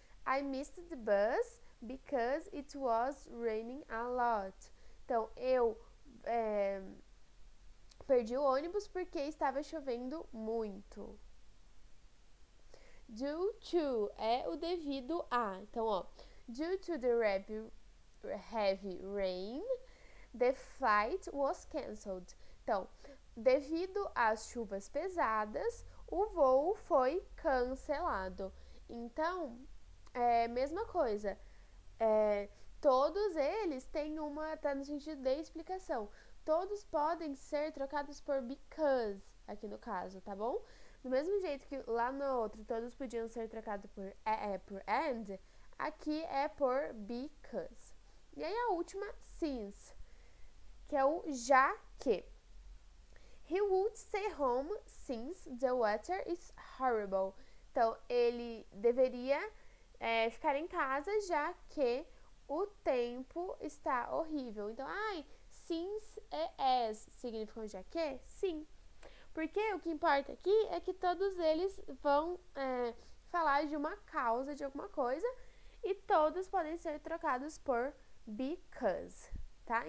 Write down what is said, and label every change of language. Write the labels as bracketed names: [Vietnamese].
[English] I missed the bus because it was raining a lot. [Portuguese] Então, eu perdi o ônibus porque estava chovendo muito. Due to é o devido a. Então, ó, [English] due to the heavy rain, the flight was canceled. [Portuguese] Então, devido às chuvas pesadas, o voo foi cancelado. Então, é mesma coisa. Todos eles têm uma, tá no sentido de explicação. Todos podem ser trocados por because aqui no caso, tá bom? Do mesmo jeito que lá no outro todos podiam ser trocados por por and, aqui é por because. E aí a última, since, que é o já que. [English] He would stay home since the weather is horrible. [Portuguese] Então ele deveria ficar em casa já que o tempo está horrível. Então, ai, since e as significam já que? Sim. Porque o que importa aqui é que todos eles vão falar de uma causa, de alguma coisa, e todos podem ser trocados por because, tá?